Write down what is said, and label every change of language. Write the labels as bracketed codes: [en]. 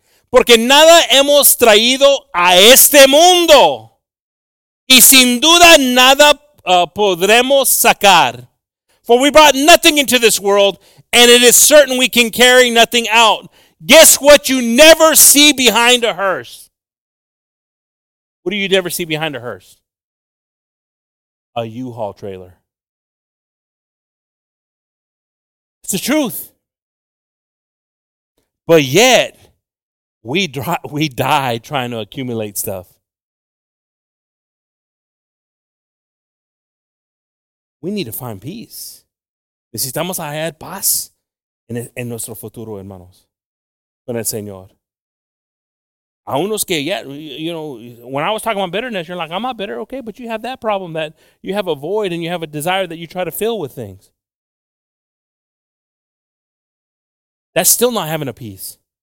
[es] Porque nada hemos traído a este mundo, y sin duda nada podremos sacar. [en] For we brought nothing into this world, and it is certain we can carry nothing out. Guess what you never see behind a hearse? What do you never see behind a hearse? A U-Haul trailer. It's the truth. But yet, we die trying to accumulate stuff. We need to find peace. [es] Necesitamos hallar paz en nuestro futuro, hermanos, con el Señor. A unos que, [en] yeah, you know, when I was talking about bitterness, you're like, I'm not bitter, okay, but you have that problem that you have a void and you have a desire that you try to fill with things. That's still not having a peace.